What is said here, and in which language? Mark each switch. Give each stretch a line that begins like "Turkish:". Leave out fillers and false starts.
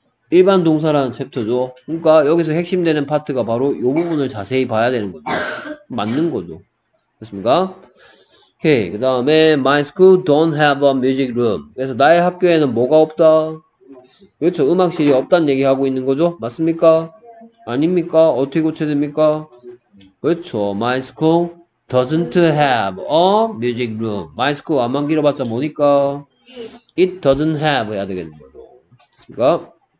Korean: 일반 동사라는 챕터죠. 그러니까 여기서 핵심되는 파트가 바로 이 부분을 자세히 봐야 되는 거죠. 맞는 거죠. 됐습니까? 오케이. 그 다음에
English: My school don't have a music room.
Korean: 그래서 나의 학교에는 뭐가 없다? 그렇죠. 음악실이 없다는 얘기하고 있는 거죠. 맞습니까? 아닙니까? 어떻게 고쳐야 됩니까? 그렇죠.
English: My school doesn't have a music room.
Korean: My school 안만 길어봤자 뭐니까?
English: It doesn't have
Korean: 해야 되겠는 거죠. 됐습니까?